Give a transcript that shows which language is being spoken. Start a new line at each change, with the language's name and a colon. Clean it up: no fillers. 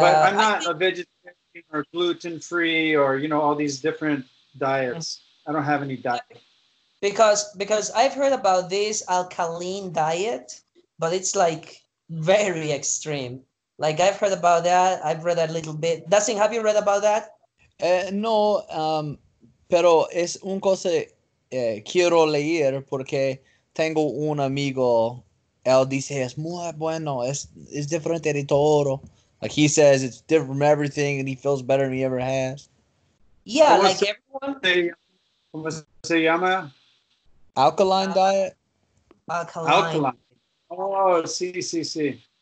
English: But I'm not a vegetarian or gluten-free or, you know, all these different diets. I don't have any diet. Because I've heard about this alkaline diet, but it's like very extreme. Like I've heard about that. I've read a little bit. Dustin, have you read about that?
Spanish: No, pero es un cosa quiero leer porque tengo un amigo. Él dice es muy bueno. Es diferente de todo.
English: Like he says, it's different from everything, and he feels better than he ever has. Yeah, like everyone.
Spanish: ¿Cómo se llama?
English: Alkaline diet. Alkaline.
Spanish: Oh, sí.